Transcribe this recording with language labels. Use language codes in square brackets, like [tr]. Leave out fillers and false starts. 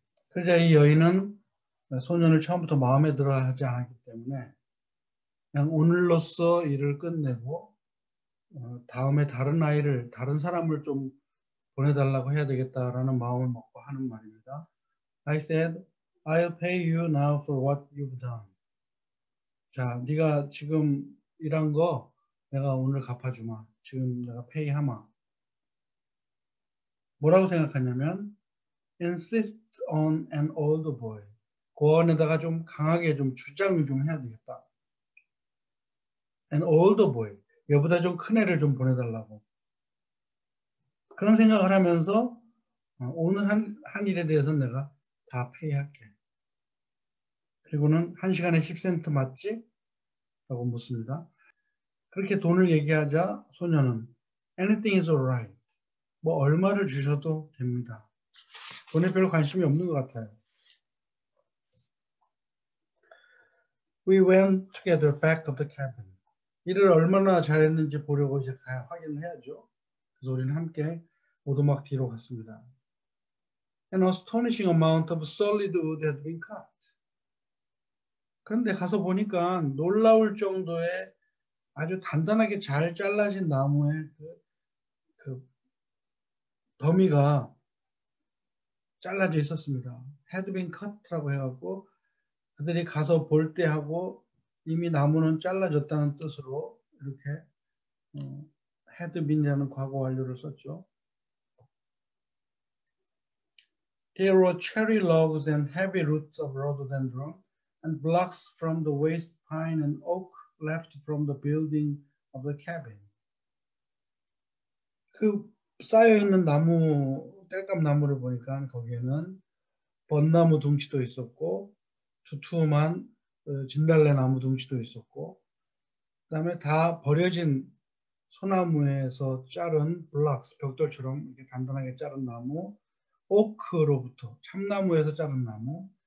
[ko] 그러자 이 여인은 소년을 처음부터 마음에 들어 하지 않았기 때문에 그냥 오늘로써 일을 끝내고 다음에 다른 아이를, 다른 사람을 좀 보내달라고 해야 되겠다라는 마음을 먹고 하는 말입니다. [en] I said, I'll pay you now for what you've done. [ko] 자, 네가 지금 일한 거 내가 오늘 갚아주마. 지금 내가 페이하마. 뭐라고 생각하냐면, [en] insist on an old boy. [ko] 고아원에다가 좀 강하게 좀 주장을 좀 해야 되겠다. [en] An old boy. [ko] 얘보다 좀큰 애를 좀 보내달라고. 그런 생각을 하면서 오늘 한 일에 대해서 내가 다 페이할게. 그리고는 한 시간에 10센트 맞지? 라고 묻습니다. 그렇게 돈을 얘기하자 소녀는 [en] anything is alright. [ko] 뭐 얼마를 주셔도 됩니다. 돈에 별 관심이 없는 것 같아요. [en] We went together back of the cabin. [ko] 일을 얼마나 잘했는지 보려고 이제 확인을 해야죠. 그래서 우리는 함께 오두막 뒤로 갔습니다. [en] An astonishing amount of solid wood had been cut. [ko] 그런데 가서 보니까 놀라울 정도의 아주 단단하게 잘 잘라진 나무의 그 더미가 잘라져 있었습니다. Had been cut라고 해갖고 그들이 가서 볼때 하고 이미 나무는 잘라졌다는 뜻으로 이렇게 had been이라는 과거 완료를 썼죠. [en] There were cherry logs and heavy roots of rhododendron and blocks from the waste pine and oak left from the building of the cabin. [ko] 그 쌓여 있는 나무, 땔감 나무를 보니까 거기에는 벚나무 둥치도 있었고 두툼한 진달래 나무 둥치도 있었고 그다음에 다 버려진 소나무에서 자른 블록스 벽돌처럼 이렇게 단단하게 자른 나무, 오크로부터 참나무에서 자른 나무.